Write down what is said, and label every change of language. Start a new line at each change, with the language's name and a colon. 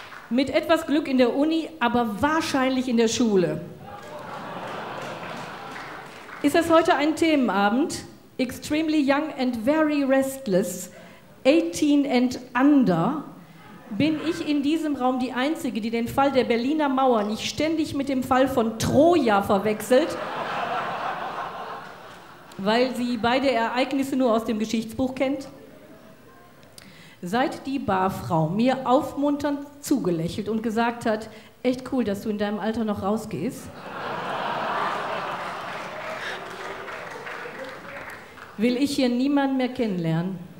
German: Mit etwas Glück in der Uni, aber wahrscheinlich in der Schule. Ist das heute ein Themenabend?
English: Extremely young and very restless, 18 and under.
German: Bin ich in diesem Raum die Einzige, die den Fall der Berliner Mauer nicht ständig mit dem Fall von Troja verwechselt, weil sie beide Ereignisse nur aus dem Geschichtsbuch kennt? Seit die Barfrau mir aufmunternd zugelächelt und gesagt hat, echt cool, dass du in deinem Alter noch rausgehst, will ich hier niemanden mehr kennenlernen.